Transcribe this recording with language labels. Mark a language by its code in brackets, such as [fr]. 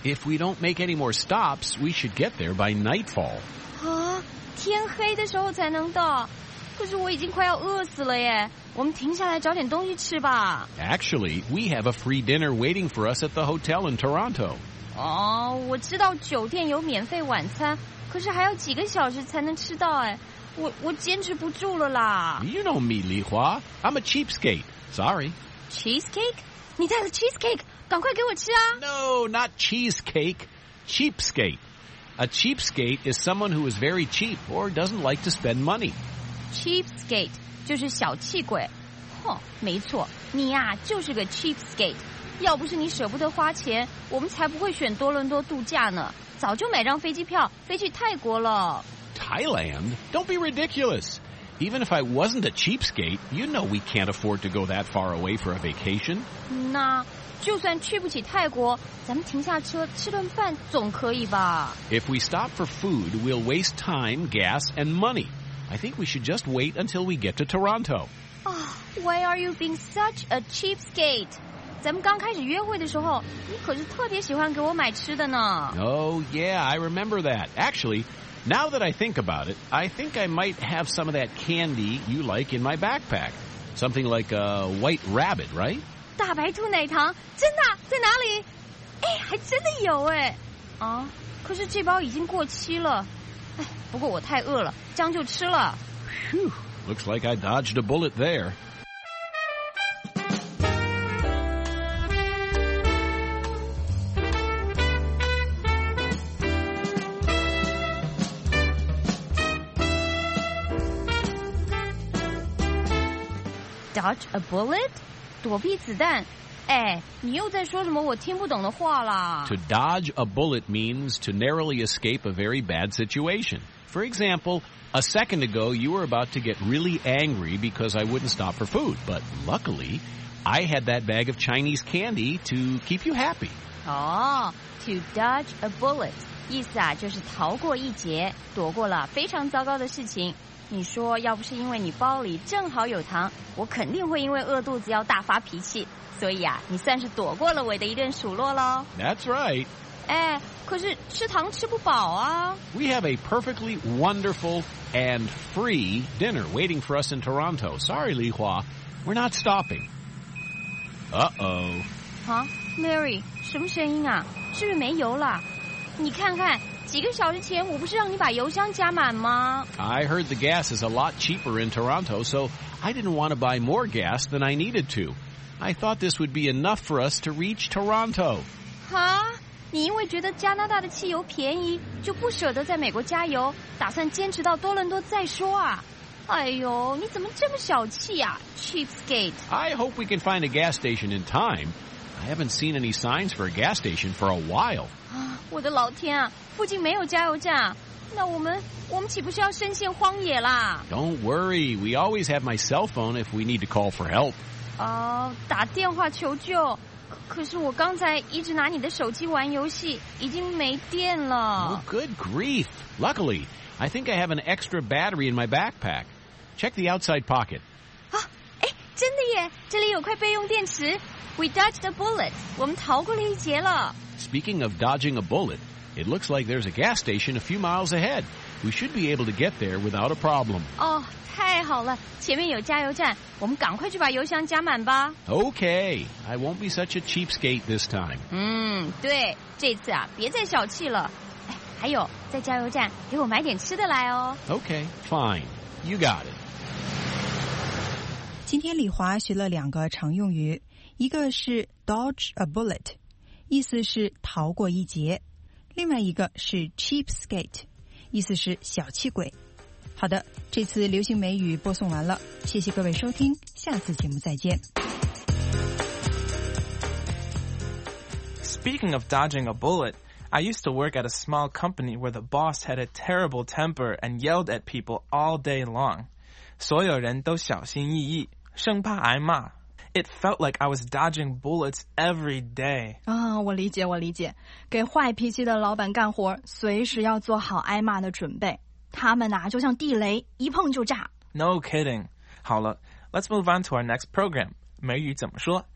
[en] If we don't make any more stops, we should get there by nightfall. [zh] 啊，天黑的时候才能到，可是我已经快要饿死了耶，我们停下来找点东西吃吧。 [en] Actually, we have a free dinner waiting for us at the hotel in Toronto. [zh] 哦，我知道酒店有免费晚餐，可是还要几个小时才能吃到哎，我坚持不住了啦。 [en] You know me, Li Hua. I'm a cheapskate. Sorry. [zh] Cheesecake? 你带了 cheesecake? 赶快给我吃啊。 [en] No, not cheesecake. Cheapskate. A cheapskate is someone who is very cheap or doesn't like to spend money. [zh] Cheapskate. 就是小气鬼，哼，没错，你呀、啊、就是个 cheapskate。要不是你舍不得花钱，我们才不会选多伦多度假呢，早就买张飞机票飞去泰国了。 [en] Thailand? Don't be ridiculous. Even if I wasn't a cheapskate, you know we can't afford to go that far away for a vacation. [zh] 那就算去不起泰国，咱们停下车吃顿饭总可以吧。 [en] If we stop for food, we'll waste time, gas, and money. I think we should just wait until we get to Toronto. Oh, why are you being such a cheapskate? [zh] 咱们刚开始约会的时候，你可是特别喜欢给我买吃的呢。 [en] Oh, yeah, I remember that. Actually, now that I think about it, I think I might have some of that candy you like in my backpack. Something like a white rabbit, right? [zh] 大白兔奶糖，真的，在哪里？哎，还真的有哎。啊，可是这包已经过期了。哎，不过我太饿了，将就吃了。 [en] Phew, looks like I dodged a bullet there. Dodge a bullet? [zh] 躲避子弹？哎，你又在说什么我听不懂的话啦。 [en] To dodge a bullet means to narrowly escape a very bad situation. For example, a second ago, you were about to get really angry because I wouldn't stop for food. But luckily, I had that bag of Chinese candy to keep you happy. Oh, to dodge a bullet. [zh] 意思啊，就是逃过一劫，躲过了非常糟糕的事情。你说要不是因为你包里正好有糖，我肯定会因为饿肚子要大发脾气。所以啊，你算是躲过了我的一顿数落喽。 [en] That's right. [zh] 哎，可是吃糖吃不饱啊。 [en] We have a perfectly wonderful and free dinner waiting for us in Toronto. Sorry, Li Hua, we're not stopping. Uh-oh. [zh] Huh? Mary, 什么声音啊？是不是没油了？你看看。几个小时前我不是让你把油箱加满吗 [en] I heard the gas is a lot cheaper in Toronto, so I didn't want to buy more gas than I needed to. I thought this would be enough for us to reach Toronto. Huh? [zh] 你因为觉得加拿大的汽油便宜就不舍得在美国加油打算坚持到多伦多再说啊哎呦你怎么这么小气啊 Cheapskate. [en] I hope we can find a gas station in time. I haven't seen any signs for a gas station for a while. [zh] 我的老天啊附近没有加油站那我们岂不是要深陷荒野啦 [en] Don't worry, we always have my cell phone if we need to call for help. [zh] 打电话求救可是我刚才一直拿你的手机玩游戏已经没电了。 [en] Oh, good grief. Luckily, I think I have an extra battery in my backpack. Check the outside pocket. [zh] 哎，真的耶，这里有块备用电池。 [en] We dodged a bullet. [zh] 我们逃过了一劫了。 [en] Speaking of dodging a bullet,It looks like there's a gas station a few miles ahead. We should be able to get there without a problem. [zh] Oh, 太好了，前面有加油站，我们赶快去把油箱加满吧。 [en] Okay, I won't be such a cheapskate this time. [zh] 对，这次啊，别再小气了。哎，还有，在加油站给我买点吃的来哦。 [en] Okay, fine. You got it. [zh] 今天李华学了两个常用语，一个是 dodge a bullet, 意思是逃过一劫。另外一个是 cheapskate, 意思是小气鬼。好的，这次流行美语播送完了，谢谢各位收听，下次节目再见。 [en] Speaking of dodging a bullet, I used to work at a small company where the boss had a terrible temper and yelled at people all day long. [zh] 所有人都小心翼翼，生怕挨骂。 [en] It felt like I was dodging bullets every day. [zh] 我理解，我理解。给坏脾气的老板干活，随时要做好挨骂的准备。他们啊，就像地雷，一碰就炸。 [en] No kidding. [zh] 好了 [en] ，Let's move on to our next program. [zh] 美语怎么说？